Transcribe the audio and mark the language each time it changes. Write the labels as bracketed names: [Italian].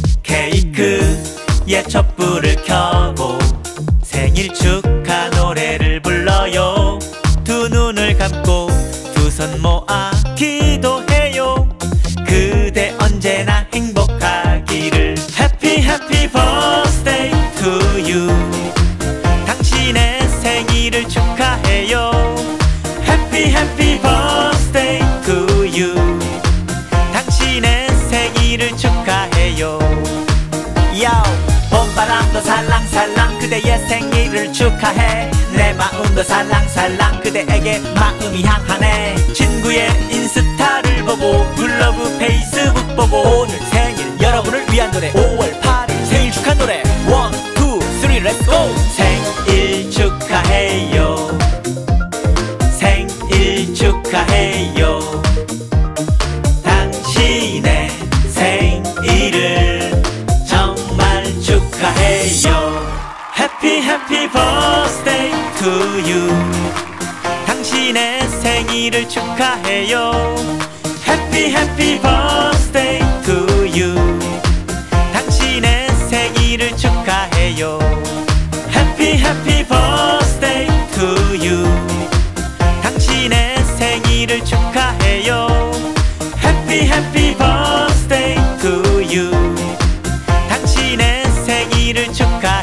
[Korean] 케이크에 촛불을 켜고 생일 축하 노래를 불러요. 두 눈을 감고 두 손 모아 기도해요. 그대 언제나 행복하기를. [English] Happy Happy Birthday to you. [Korean] 당신의 생일을 축하해요. [English] Happy Happy Birthday to you. [Korean] 당신의 생일을 축하해요. 야오. 봄바람도 살랑살랑 그대의 생일을 축하해. 내 마음도 살랑살랑 그대에게 마음이 향하네. 친구의 인스타를 보고 블로그 페이스북 보고 오늘 생일 여러분을 위한 노래 5월 8일 생일 축하 노래 1, 2, 3, [English] Let's go! [Korean] 생일 축하해요. 생일 축하해요. 당신의 생일을 정말 축하해요. [English] Happy Happy Birthday to you. [Korean] 당신의 생일을 축하해요. [English] Happy Happy Birthday to you. [Korean] 당신의 생일을 축하해요. [English] Happy Happy Birthday to you. [Korean] 당신의 생일을 축하해요. [English] Happy Happy Birthday to you. [Korean] 당신의 생일을 축하해요.